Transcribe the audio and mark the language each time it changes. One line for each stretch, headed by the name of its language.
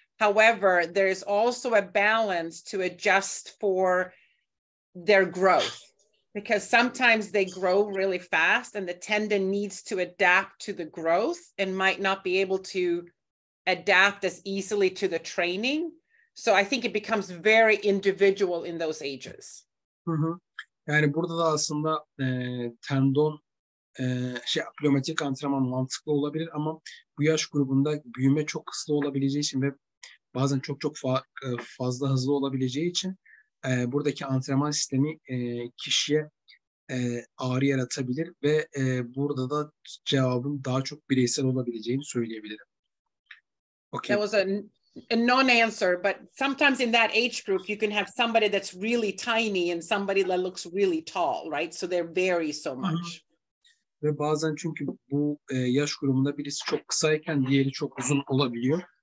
English: However, there's also a balance to adjust for their growth, because sometimes they grow really fast and the tendon needs to adapt to the growth and might not be able to adapt as easily to the training. So I think it becomes very individual in those ages.
Turkish: Yani burada da aslında tendon plyometrik antrenman mantıklı olabilir, ama bu yaş grubunda büyüme çok hızlı olabileceği için ve bazen çok çok fazla hızlı olabileceği için buradaki antrenman sistemi kişiye ağrı yaratabilir ve burada da cevabın daha çok bireysel olabileceğini söyleyebilirim.
English: Okay. That was a non-answer, but sometimes in that age group, you can have somebody that's really tiny and somebody that looks really tall, right? So they vary so much.
Turkish: Ve bazen çünkü bu yaş grubunda birisi çok kısayken diğeri çok uzun olabiliyor.